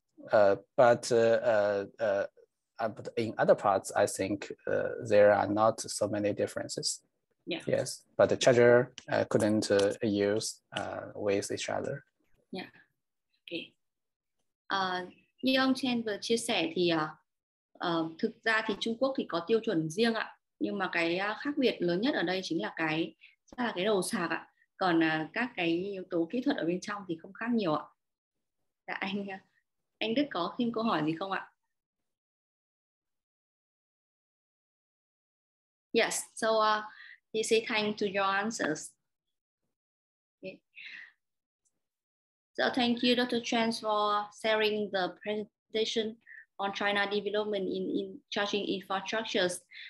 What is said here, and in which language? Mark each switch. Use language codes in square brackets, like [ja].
[en] But in other parts, I think there are not so many differences. Yeah. Yes, but the charger couldn't use with each other. Yeah, okay. [vi] Như ông Chen vừa chia sẻ thì thực ra thì Trung Quốc thì có tiêu chuẩn riêng ạ. Nhưng mà cái khác biệt lớn nhất ở đây chính là cái đầu sạc ạ. Còn các cái yếu tố kỹ thuật ở bên trong thì không khác nhiều ạ. Dạ anh Đức có thêm câu hỏi gì không ạ? [en] Yes, so he say thank to your answers. Okay. So thank you Dr. Chan for sharing the presentation on China development in charging infrastructures.